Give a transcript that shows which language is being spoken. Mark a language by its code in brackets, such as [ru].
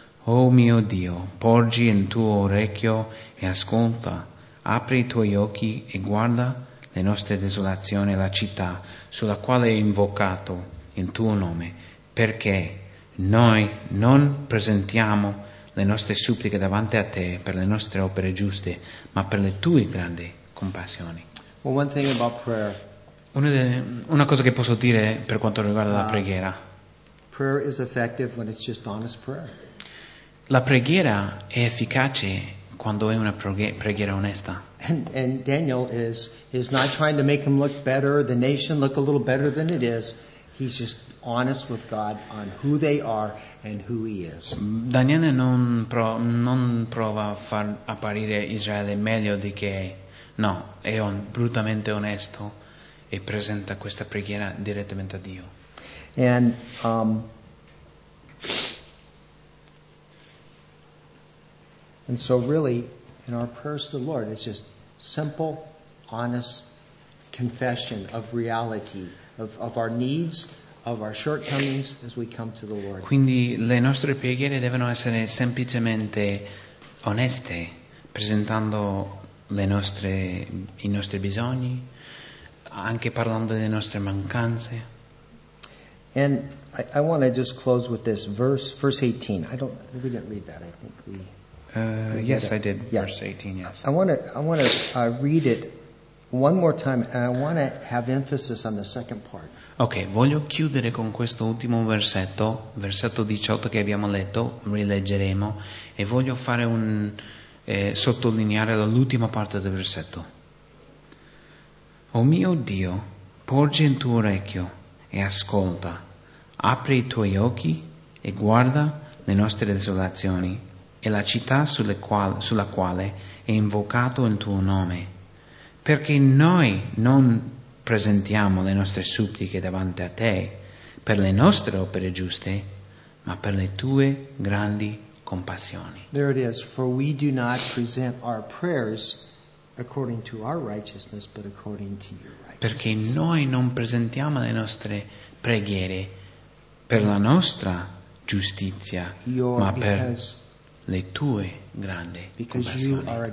[it] O mio Dio, porgi il tuo orecchio e ascolta, apri i tuoi occhi e guarda le nostre desolazioni, la città sulla quale hai invocato il tuo nome, perché noi non presentiamo le nostre suppliche davanti a te per le nostre opere giuste, ma per le tue grandi compassioni. [en] Well, one thing about prayer. [it] Una cosa che posso dire per quanto riguarda la preghiera. [en] Prayer is effective when it's just honest prayer. [it] La preghiera è efficace quando è una preghiera onesta. [en] And Daniel is not trying to make him look better, the nation look a little better than it is. He's just honest with God on who they are and who he is. [it] Daniele non prova a far apparire Israele meglio di che è. No, è brutalmente onesto e presenta questa preghiera direttamente a Dio. [en] And and so really in our prayers to the Lord it's just simple, honest confession of reality of our needs, of our shortcomings as we come to the Lord. [it] Quindi le nostre preghiere devono essere semplicemente oneste, presentando i nostri bisogni, anche parlando delle nostre mancanze. [en] And I want to just close with this verse 18. We didn't read that. I think we. Yes, I did. Yeah. Verse 18. Yes. I want to read it one more time, and I want to have emphasis on the second part. Okay. [it] Voglio chiudere con questo ultimo versetto, versetto 18 che abbiamo letto. Rileggeremo e voglio fare un sottolineare l'ultima parte del versetto. O mio Dio, porgi il tuo orecchio e ascolta. Apri i tuoi occhi e guarda le nostre desolazioni e la città sulla quale è invocato il tuo nome, perché noi non presentiamo le nostre suppliche davanti a te per le nostre opere giuste, ma per le tue grandi compassioni. [en] There it is, for we do not present our prayers according to our righteousness, but according to your righteousness. [it] Perché noi non presentiamo le nostre preghiere per la nostra giustizia, ma per le tue grandi compassioni.